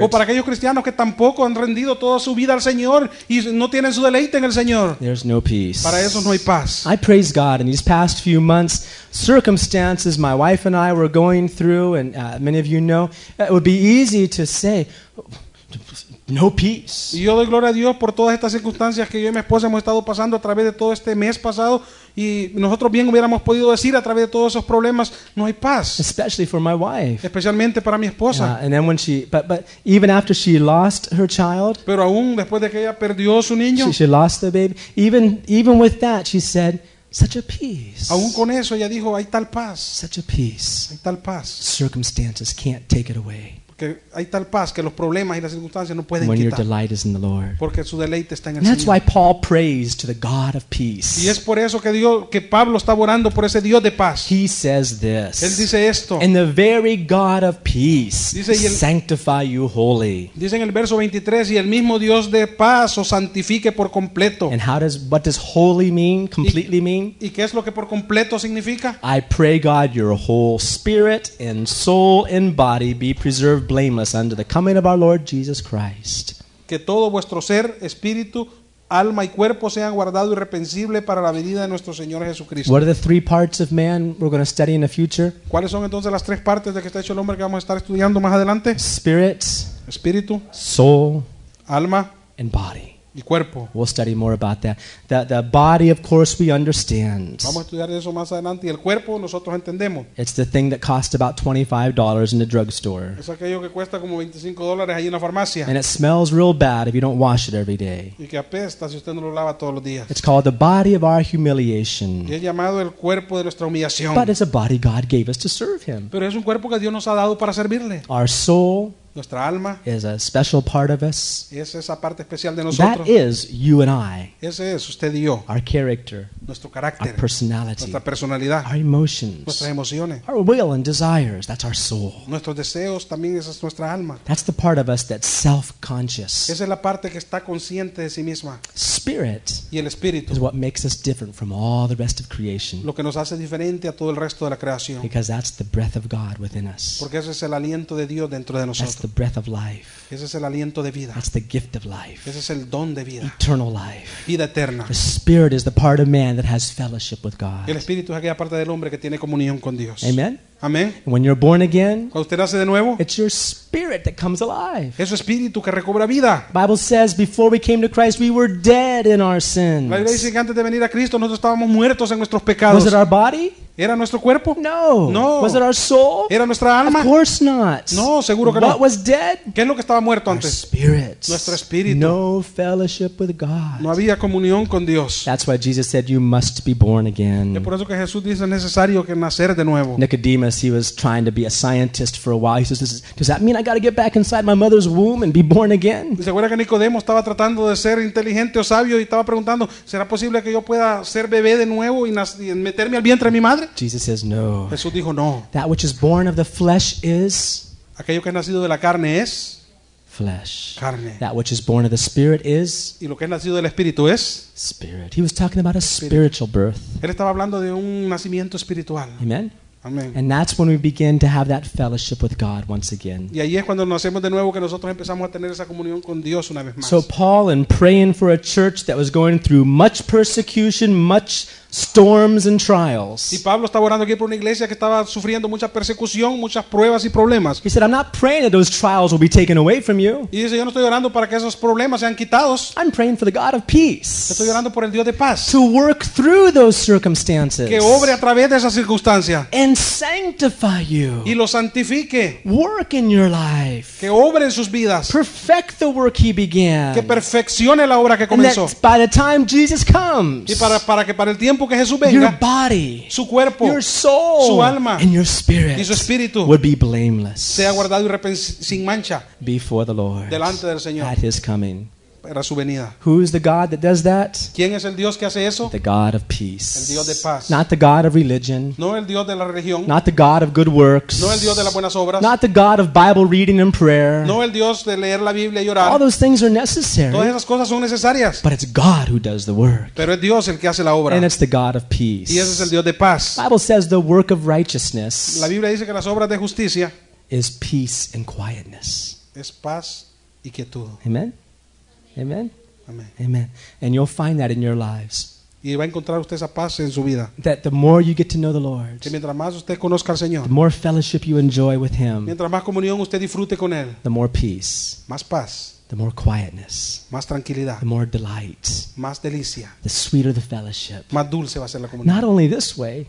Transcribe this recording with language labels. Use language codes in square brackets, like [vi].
[es] O para aquellos cristianos que tampoco han rendido toda su vida al Señor y no tienen su deleite en el Señor. [en] There's no peace. [es] Para esos no hay paz. [en] I praise God in these past few months, circumstances my wife and I were going through, and many of you know, it would be easy to say, no peace. [es] Y yo doy gloria a Dios por todas estas circunstancias que yo y mi esposa hemos estado pasando a través de todo este mes pasado. Y nosotros bien hubiéramos podido decir a través de todos esos problemas, no hay paz. [en] Especially for my wife. [es] Especialmente para mi esposa. [en] And then when she, but even after she lost her child. [es] Pero aún después de que ella perdió su niño. [en] She lost the baby. Even with that, she said, such a peace. [es] Aún con eso ella dijo, hay tal paz. [en] Such a peace. [es] Hay tal paz. [en] Circumstances can't take it away. [es] que hay tal paz que los problemas y las circunstancias no pueden [en] when [es] quitar. [en] Your delight is in the Lord. [es] Porque su deleite está en el [en] that's [es] Señor. [en] Why Paul prays to the God of peace. [es] Y es por eso que Dios, que Pablo está orando por ese Dios de paz. [en] He says this. [es] Él dice esto. [en] And the very God of peace [es] dice, [en] el, sanctify you wholly. [es] Dice en el verso 23 y el mismo Dios de paz os santifique por completo. [en] And how does what does holy mean? Completely mean? [es] ¿Y qué es lo que por completo significa? [en] I pray God your whole spirit and soul and body be preserved blameless unto the coming of our Lord Jesus Christ. [es] Que todo vuestro ser, espíritu, alma y cuerpo sean guardado irreprensible para la venida de nuestro Señor Jesucristo. [en] What are the three parts of man we're going to study in the future? [es] ¿Cuáles son entonces las tres partes de que está hecho el hombre que vamos a estar estudiando más adelante? [en] Spirit, [es] espíritu, [en] soul, [es] alma, [en] and body. [es] Y cuerpo. [en] We'll study more about that. The body, of course, we understand. [es] Vamos a estudiar eso más adelante. Y el cuerpo, nosotros entendemos. [en] It's the thing that costs about $25 in the drugstore. [es] Es aquello que cuesta como $25 ahí en la farmacia. [en] And it smells real bad if you don't wash it every day. [es] Y que apesta si usted no lo lava todos los días. [en] It's called the body of our humiliation. [es] Y es llamado el cuerpo de nuestra humillación. [en] But it's a body God gave us to serve Him. [es] Pero es un cuerpo que Dios nos ha dado para servirle. [en] Our soul. [es] Nuestra alma [en] is a special part of us. [es] Es esa parte especial de nosotros. [en] That is you and I. [es] Ese es usted y yo. [en] Our character. [es] Nuestro carácter. [en] Our personality. [es] Nuestra personalidad. [en] Our emotions. [es] Nuestras emociones. [en] Our will and desires. That's our soul. [es] Nuestros deseos también esa es nuestra alma. [en] That's the part of us that's self-conscious. [es] Esa es la parte que está consciente de sí misma. [en] Spirit. [es] Y el espíritu. [en] Is what makes us different from all the rest of creation. [es] Lo que nos hace diferente a todo el resto de la creación. [en] Because that's the breath of God within us. [es] Porque ese es el aliento de Dios dentro de nosotros. [en] The breath of life. [es] Ese es el aliento de vida. [en] That's the gift of life. [es] Ese es el don de vida. [en] Eternal life. [es] Vida eterna. [en] The spirit is the part of man that has fellowship with God. [es] El espíritu es aquella parte del hombre que tiene comunión con Dios. [en] Amen. [es] Amen. [en] When you're born again, [es] cuando usted nace de nuevo, [en] it's your spirit that comes alive. [es] Es su espíritu que recobra vida. [en] The Bible says before we came to Christ, we were dead in our sins. [es] La Biblia dice que antes de venir a Cristo, nosotros estábamos muertos en nuestros pecados. [en] Was it our body? [es] ¿Era nuestro cuerpo? [en] No. [es] No. [en] Was it our soul? [es] ¿Era nuestra alma? [en] Of course not. [es] No, seguro que [en] what [es] no. [en] What was dead? [es] ¿Qué es lo que estaba muerto antes? [en] Our spirit. [es] Nuestro espíritu. [en] No fellowship with God. [es] No había comunión con Dios. [en] That's why Jesus said you must be born again. [es] Es por eso que Jesús dice es necesario que nacer de nuevo. [en] Nicodemus, he was trying to be a scientist for a while. He says, does that mean I got to get back inside my mother's womb and be born again? [es] ¿Se acuerda que Nicodemo estaba tratando de ser inteligente o sabio y estaba preguntando, ¿será posible que yo pueda ser bebé de nuevo y meterme al vientre de mi madre? [en] Jesus says no. [es] Jesús dijo no. [en] That which is born of the flesh is [es] aquello que es nacido de la carne es [en] flesh. [es] Carne. [en] That which is born of the spirit is [es] y lo que es nacido del espíritu es [en] spirit. He was talking about a spiritual birth. [es] Él estaba hablando de un nacimiento espiritual. [en] Amen. [es] Amen. [en] And that's when we begin to have that fellowship with God once again. [es] Y ahí es cuando nos hacemos de nuevo que nosotros empezamos a tener esa comunión con Dios una vez más. [en] So Paul, in praying for a church that was going through much persecution, much storms and trials. [es] Y Pablo estaba orando aquí por una iglesia que estaba sufriendo mucha persecución, muchas pruebas y problemas. [en] He said, I'm not praying that those trials will be taken away from you. [es] Y dice, yo no estoy orando para que esos problemas sean quitados. [en] I'm praying for the God of peace. [es] Estoy orando por el Dios de paz. [en] To work through those circumstances. [es] Que obre a través de esas circunstancias. [en] And sanctify you. [es] Y lo santifique. [en] Work in your life. [es] Que obre en sus vidas. [en] Perfect the work he began. [es] Que perfeccione la obra que comenzó. [en] And that by the time Jesus comes. [es] Y para que para el tiempo que Jesús venga, [en] your body, [es] su cuerpo, [en] your soul, [es] su alma, [en] and your spirit [es] y su espíritu [en] would be blameless [es] sea guardado sin mancha [en] before the Lord [es] delante del Señor [en] at His coming. [es] Era su venida. [en] Who is the God that does that? [es] ¿Quién es el Dios que hace eso? [en] The God of peace. [es] El Dios de paz. [en] Not the God of religion. [es] No el Dios de la religión. [en] Not the God of good works. [es] No el Dios de las buenas obras. [en] Not the God of Bible reading and prayer. [es] No el Dios de leer la Biblia y orar. [en] All those things are necessary. [es] Todas esas cosas son necesarias. [en] But it's God who does the work. [es] Pero es Dios el que hace la obra. [en] And it's the God of peace. [es] Y ese es el Dios de paz. [en] The Bible says the work of righteousness. [es] La Biblia dice que las obras de justicia [en] is peace and quietness. [es] Es paz y quietud. [en] Amen. Amen. [es] Amen. [en] Amen. And you'll find that in your lives. [es] Y va a encontrar usted esa paz en su vida. [en] That the more you get to know the Lord, [es] que mientras más usted conozca al Señor, [en] the more fellowship you enjoy with Him, [es] mientras más comunión usted disfrute con Él, [en] the more peace, [es] más paz, [en] the more quietness, [es] más tranquilidad, [en] the more delight, [es] más delicia, [en] the sweeter the fellowship, [es] más dulce va a ser la comunión. [en] Not only this way,